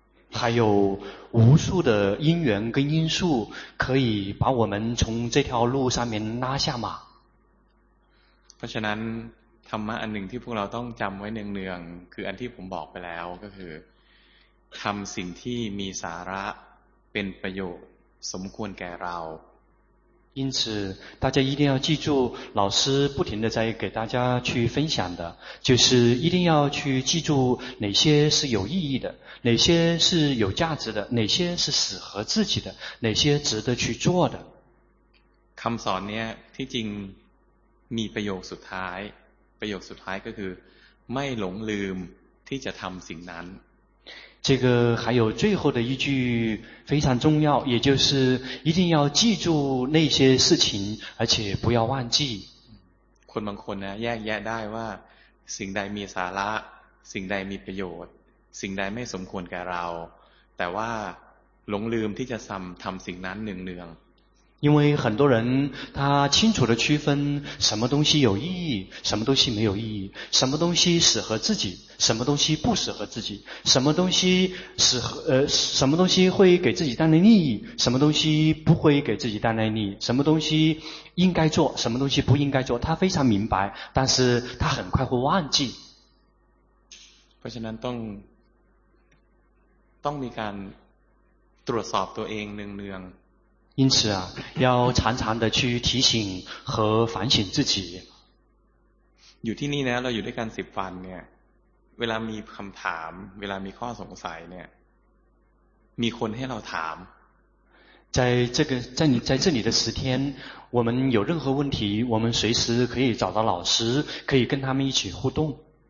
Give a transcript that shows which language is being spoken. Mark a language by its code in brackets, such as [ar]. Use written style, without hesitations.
[zh] 还有无数的因缘跟因素可以把我们从这条路上面拉下马。 [th] เพราะฉะนั้นธรรมะอันหนึ่งที่พวกเราต้องจำไว้เนืองๆคืออันที่ผมบอกไปแล้วก็คือทำสิ่งที่มีสาระเป็นประโยชน์สมควรแก่เรา [zh] 因此大家一定要记住老师不停地在给大家去分享的就是一定要去记住哪些是有意义的哪些是有价值的哪些是适合自己的哪些值得去做的 [th] คำสอนเนี่ยที่จริงมีประโยคสุดท้ายประโยคสุดท้ายก็คือไม่หลงลืมที่จะทำสิ่งนั้น [zh] 这个还有最后的一句非常重要也就是一定要记住那些事情而且不要忘记 [th] คนบางคนนะแยกแยะได้ว่าสิ่งใดมีสาระสิ่งใดมีประโยชน์สิ่งใดไม่สมควรแก่เราแต่ว่าหลงลืมที่จะทำสิ่งนั้นเนือง [zh] 因为很多人他清楚地区分什么东西有意义什么东西没有意义什么东西适合自己什么东西不适合自己什么东西什么东西会给自己带来利益什么东西不会给自己带来利益什么东西应该做什么东西不应该做他非常明白但是他很快会忘记不是能动动你敢多少多应能量因此啊，要常常的去提醒和反省自己。 [th] อยู่ที่นี่นะเราอยู่ด้วยกันสิบวันเนี่ยเวลามีคำถามเวลามีข้อสงสัยเนี่ยมีคนให้เราถาม [zh] 在这里的十天，我们有任何问题，我们随时可以找到老师，可以跟他们一起互动。